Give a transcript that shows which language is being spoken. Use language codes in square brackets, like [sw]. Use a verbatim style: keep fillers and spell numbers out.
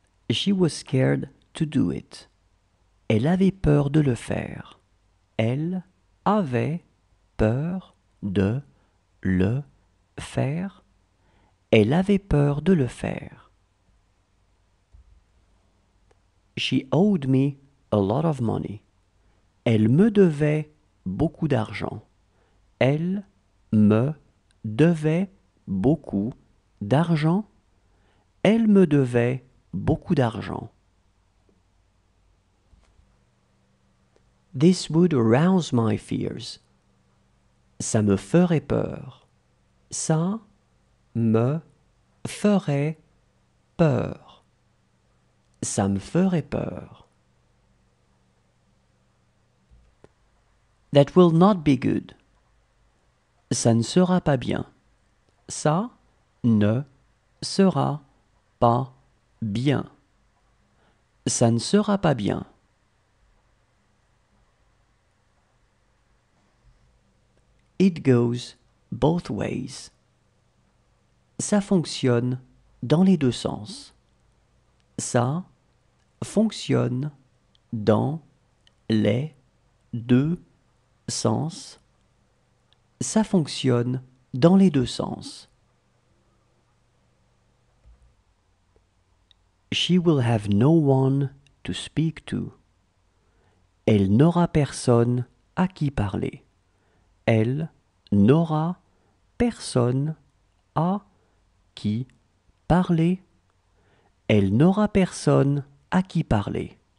[en] She was scared to do it. [fr] Elle avait peur de le faire. Elle avait peur de le faire. Elle avait peur de le faire. [en] She owed me a lot of money. [fr] Elle me devait beaucoup d'argent. Elle me devait beaucoup d'argent. Elle me devait beaucoup d'argent. [en] This would arouse my fears. [fr] Ça me ferait peur. Ça me ferait peur. Ça me ferait peur. [en] That will not be good. [fr] Ça ne sera pas bien. Ça ne sera pas bien. Ça ne sera pas bien. [en] It goes both ways. [fr] Ça fonctionne dans les deux sens. Ça fonctionne dans les deux sens. Ça fonctionne dans les deux sens. [en] She will have no one to speak to. [fr] Elle n'aura personne à qui parler. Elle n'aura personne à qui parler. Elle n'aura personne à qui parler.